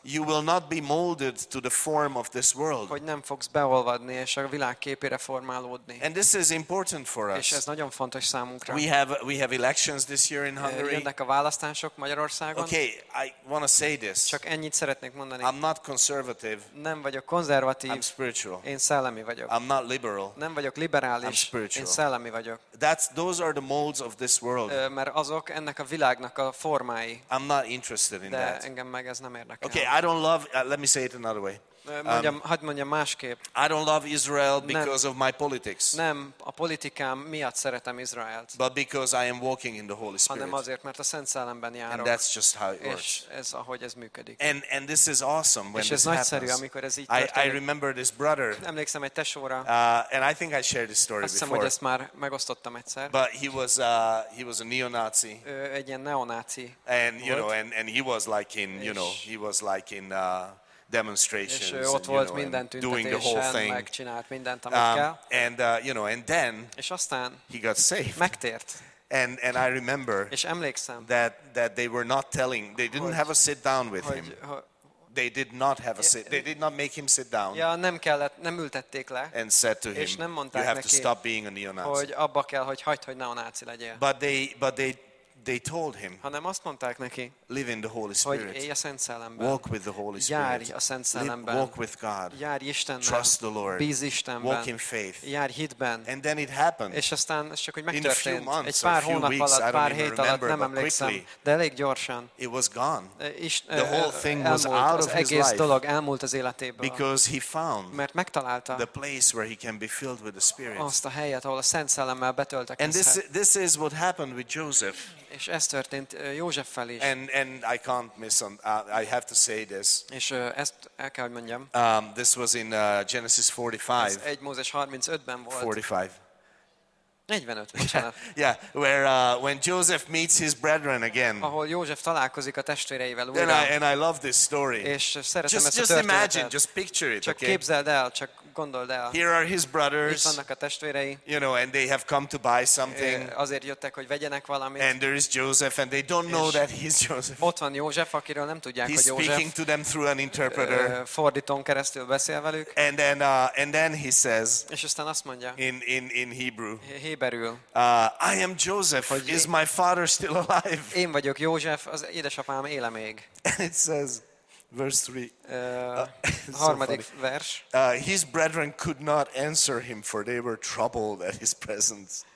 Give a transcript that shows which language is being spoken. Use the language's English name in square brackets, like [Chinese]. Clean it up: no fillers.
[English] You will not be molded to the form of this world. [Hungarian] Hogy nem fogsz beolvadni és a világ képére formálódni. [English] And this is important for us. [Hungarian] És ez nagyon fontos számunkra. [English] We have elections this year in Hungary. [Hungarian] Jönnek a választások Magyarországon. [English] Okay, I want to say this. [Hungarian] Csak ennyit szeretnék mondani. [English] I'm not conservative. [Hungarian] Nem vagyok konzervatív. [English] I'm spiritual. [Hungarian] Én szellemi vagyok. [English] I'm not liberal. [Hungarian] Nem vagyok liberális. [English] I'm spiritual. [Hungarian] Én szellemi vagyok. [English] Those are the molds of this world. [Hungarian] Mert azok ennek a világnak a formái. [English] I'm not interested in [Hungarian] de [English] that. [Hungarian] Engem meg ez nem érdekel. [English] Okay, I don't love. Let me say it another way. [Hungarian] Hadd mondjam másképp. [English] I don't love Israel because of my politics. [Hungarian] Nem a politikám miatt szeretem Izraelt. [English] But because I am walking in the Holy Spirit. [Hungarian] Hanem azért, mert a Szent Szellemben járok. [English] And that's just how it works. [Hungarian] És ez ahogy ez működik. [English] And this is awesome when this happens. [Hungarian] És ez nagyszerű, amikor ez így történik. [English] I remember this brother. [Hungarian] Emlékszem egy tesóra. [English] And I think I shared this story before. [Hungarian] Azt hiszem, hogy ezt már megosztottam egyszer. [English] But he was a neo-Nazi. [Hungarian] Egy ilyen neonáci. [English] And you know, and he was like in, you know, he was like in demonstrations, [Hungarian] és ott volt minden tüntetésen, megcsinált mindent, amit kell. [English] And then [Hungarian] és aztán [English] he got saved. [Hungarian] Megtért. [English] And I remember [Hungarian] és emlékszem, [English] that they were not telling, they didn't have a sit down with him. They did not have a sit. They did not make him sit down. [Hungarian] Ja, nem kellett, nem ültették le. [English] And said to him, [Hungarian] és nem mondták [English] you have [Hungarian] neki, [English] to stop being a neo-Nazi. [Hungarian] Hogy abba kell, hogy hagyd, hogy neonáci legyél. [English] But they told him. [Hungarian] Hanem azt mondták neki. [English] Live in the Holy Spirit. [Hungarian] Hogy élj a Szent Szellemben. [English] Walk with the Holy Spirit. [Hungarian] Járj a Szent Szellemben. [English] Walk with God. [Hungarian] Járj Istenben. [English] Trust the Lord. [Hungarian] Bízz Istenben. [English] Walk in faith. [Hungarian] Járj hitben. [English] And then it happened. [Hungarian] És aztán ez csak hogy megtörtént. [English] Months, [Hungarian] egy pár hónap [English] weeks, [Hungarian] alatt, pár hét alatt, [English] remember, [Hungarian] nem emlékszem, [English] quickly, [Hungarian] de elég gyorsan. [English] It was gone. The whole thing was out of his life. [Hungarian] Az egész dolog elmúlt az életéből. [English] Because he found. [Hungarian] Mert megtalálta. [English] The place where he can be filled with the Spirit. [Hungarian] Azt a helyet, ahol a Szent Szellemmel betöltekezhet. [English] And this is what happened with Joseph. [Hungarian] És ez történt Józseffel is. [English] And I can't miss on, I have to say this. [Hungarian] És ezt el kell, hogy mondjam. [English] This was in Genesis 45. [Hungarian] Ez 1 Mózes 35-ben volt. [English] 45. Yeah, yeah, where when Joseph meets his brethren again. [Hungarian] Ahol József találkozik a testvéreivel újra. [English] And I love this story. [Hungarian] És szeretem [English] just, [Hungarian] ezt a [English] just [Hungarian] történetet. [English] Imagine, just picture it, [Hungarian] csak [English] okay? [Hungarian] Képzeld el, csak gondold el. [English] Here are his brothers. [Hungarian] Itt vannak a testvérei. [English] You know, and they have come to buy something. [Hungarian] Azért jöttek, hogy vegyenek valamit. [English] And there is Joseph, and they don't know that he's Joseph. [Hungarian] Ott van József, akiről nem tudják, [English] he's [Hungarian] hogy József. [English] He's speaking to them through an interpreter. [Hungarian] Fordítón keresztül beszél velük. [English] And then he says. [Hungarian] És aztán azt mondja. [English] In Hebrew. [Hungarian] Héberül. [English] I am Joseph. Is my father still alive? [Hungarian] Én vagyok József, az édesapám éle még. [English] And it says. Verse 3. [Hungarian] Harmadik vers. [English] His brethren could not answer him, for they were troubled at his presence.